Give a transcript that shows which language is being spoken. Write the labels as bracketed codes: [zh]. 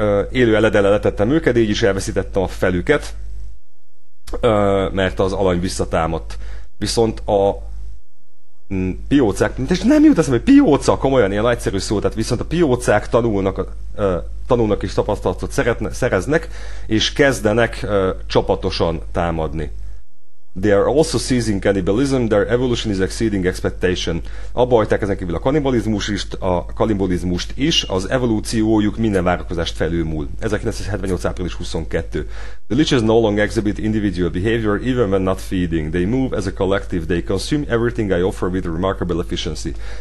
[hu] Élő eledele letettem őket, így is elveszítettem a felüket, mert az alany visszatámadt. Viszont a piócák, és nem jut eszembe, hogy pióca, komolyan ilyen egyszerű szó, tehát viszont a piócák tanulnak és tapasztalatot szereznek, és kezdenek csapatosan támadni. [en] They are also seizing cannibalism, their evolution is exceeding expectation. [hu] Abba hagyták ezen kívül a kannibalizmust is, az evolúciójuk minden várakozást felülmúl. 1978. április 22. [en] The leeches no longer exhibit individual behavior, even when not feeding. They move as a collective, they consume everything I offer with remarkable efficiency.